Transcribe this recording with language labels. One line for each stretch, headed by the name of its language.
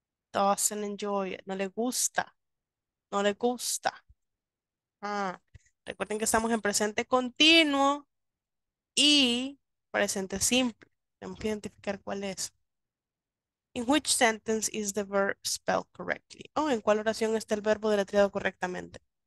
English: Doesn't enjoy it.
Spanish: No le gusta. No le gusta. Ah, recuerden que estamos en presente continuo y presente simple. Tenemos que identificar cuál es.
English: In which sentence is the verb spelled correctly?
Spanish: Oh, ¿en cuál oración está el verbo deletreado correctamente?